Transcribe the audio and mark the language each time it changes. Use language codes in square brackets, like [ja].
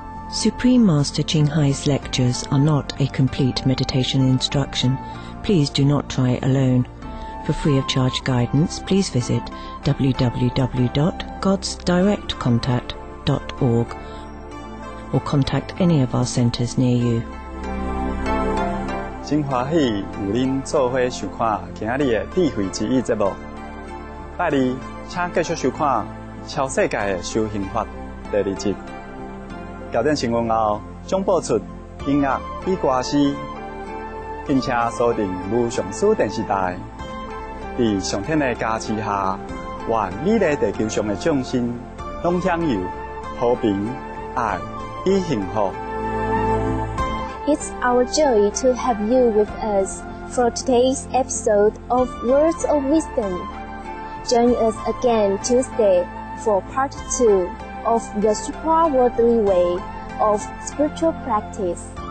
[en] Supreme Master Qinghai's lectures are not a complete meditation instruction. Please do not try it alone. For free of charge guidance, please visit www.godsdirectcontact.org or contact any of our centers near you. [zh] 真欢喜有您做伙收看今日的智慧之翼节目，拜你，请继续收看《超世界的修行法》第二集。矫正成功后，将播出音乐与歌词，并且锁定无上师电视台。在上天的加持下，愿美丽地球上的众生拢享有和平、爱与幸福。 [en] It's our joy to have you with us for today's episode of Words of Wisdom. Join us again Tuesday for part 2 of the supra-worldly way of spiritual practice.